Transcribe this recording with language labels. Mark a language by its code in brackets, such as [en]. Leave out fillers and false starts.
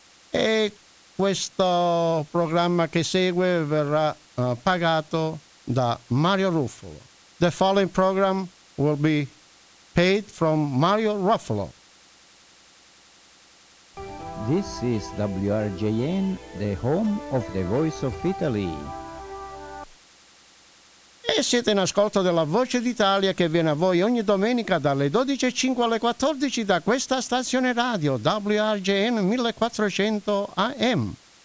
[it] E questo programma che segue verrà pagato da Mario Ruffolo. [en] The following program will be paid from Mario Ruffolo. This is WRJN, the home of the Voice of Italy. [it] E siete in ascolto della Voce d'Italia che viene a voi ogni domenica dalle 12.05 alle 14 da questa stazione radio WRJN 1400 AM.